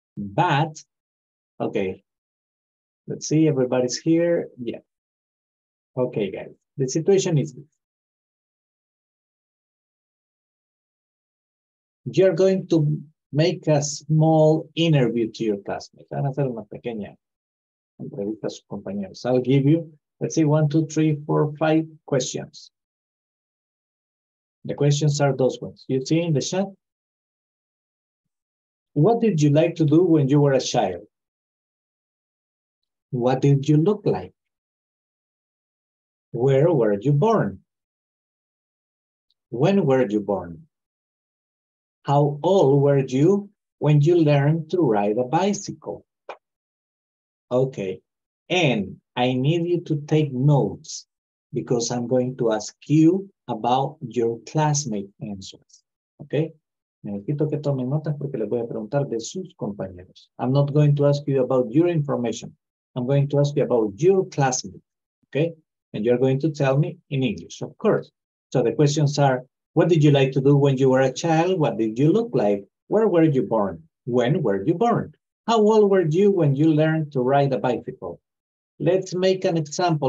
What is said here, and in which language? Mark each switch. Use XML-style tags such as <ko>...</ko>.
<en>But, okay, let's see, everybody's here. Yeah. Okay, guys, the situation is this. you're going to make a small interview to your classmates.</en> <es>Van a hacer una pequeña entrevista a sus compañeros.</es> <en>I'll give you, let's see, 1, 2, 3, 4, 5 questions. The questions are those ones. You see in the chat? What did you like to do when you were a child? What did you look like? Where were you born? When were you born? How old were you when you learned to ride a bicycle? Okay, and I need you to take notes because I'm going to ask you about your classmate answers, okay?</en> <es>Necesito que tomen notas porque les voy a preguntar de sus compañeros.</es> <en>I'm not going to ask you about your information. I'm going to ask you about your classmate, okay? And you're going to tell me in English, of course. So the questions are, what did you like to do when you were a child? What did you look like? Where were you born? When were you born? How old were you when you learned to ride a bicycle? Let's make an example.</en>